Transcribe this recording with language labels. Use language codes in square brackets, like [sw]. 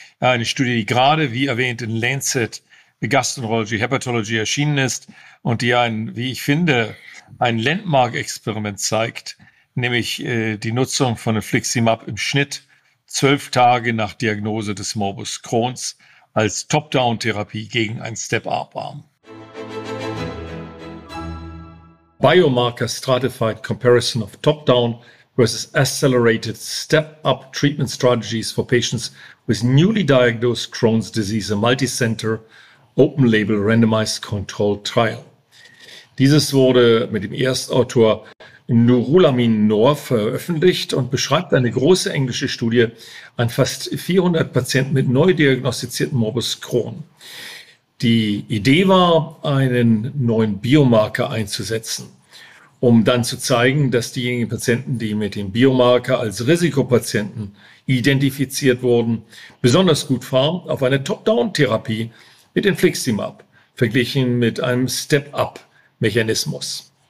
[de] Eine Studie, die gerade, wie erwähnt, in Lancet Gastroenterology, Hepatology erschienen ist und die ein, wie ich finde, ein Landmark-Experiment zeigt, nämlich die Nutzung von Infliximab im Schnitt 12 Tage nach Diagnose des Morbus Crohns als Top-Down-Therapie gegen einen Step-Up-Arm. [en] Biomarker Stratified Comparison of Top-Down versus accelerated step-up treatment strategies for patients with newly diagnosed Crohn's disease, a multicenter, open-label, randomized controlled trial. [de] Dieses wurde mit dem Erstautor Nurulamin Noor veröffentlicht und beschreibt eine große englische Studie an fast 400 Patienten mit neu diagnostiziertem Morbus Crohn. Die Idee war, einen neuen Biomarker einzusetzen, um dann zu zeigen, dass diejenigen Patienten, die mit dem Biomarker als Risikopatienten identifiziert wurden, besonders gut fahren auf eine Top-Down-Therapie mit Infliximab, verglichen mit einem Step-Up-Mechanismus.